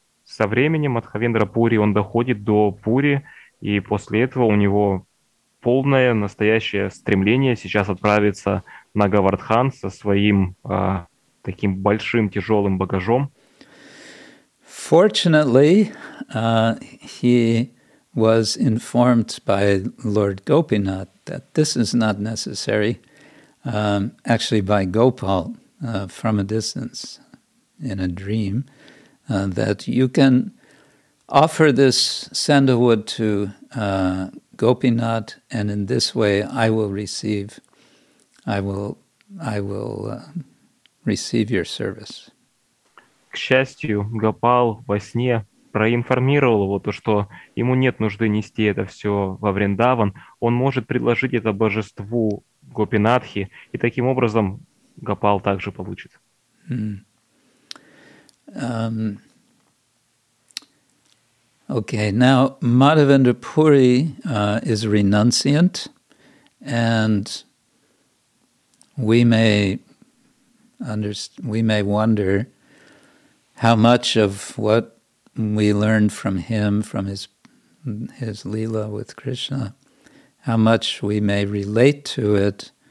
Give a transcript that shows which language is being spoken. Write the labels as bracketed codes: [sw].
[ru] Со временем Мадхавендра Пури, он доходит до Пури, и после этого у него полное настоящее стремление сейчас отправиться на Говардхан со своим таким большим тяжелым багажом. [en] Fortunately, he was informed by Lord Gopinath that this is not necessary, actually by Gopal from a distance in a dream, that you can offer this sandalwood to Gopinath, and in this way I will receive your service. [ru] К счастью, Гопал во сне проинформировал его, то, что ему нет нужды нести это все во Вриндаван. Он может предложить это божеству Гопинатхи, и таким образом Гопал также получит. [en] Okay, now Madhavendra Puri is renunciant, and we may wonder how much of what we learned from him, from his Leela with Krishna, how much we may relate to it.